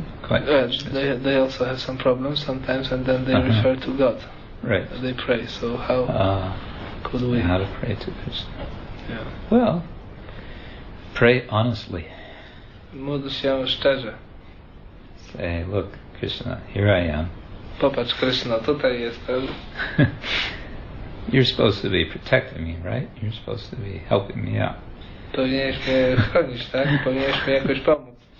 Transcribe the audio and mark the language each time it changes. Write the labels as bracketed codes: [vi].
[en] They also have some problems sometimes, and then they refer to God. Right. They pray. So how could we? How to pray to Krishna? Yeah. Well, pray honestly. [pl] Módl się szczerze. [en] Say, look, Krishna, here I am. [pl] Popatrz, Krishna, tutaj jestem. [en] You're supposed to be protecting me, right? You're supposed to be helping me out. [pl] Powinieneś mnie chronić, tak? Powinieneś mi jakoś pomóc.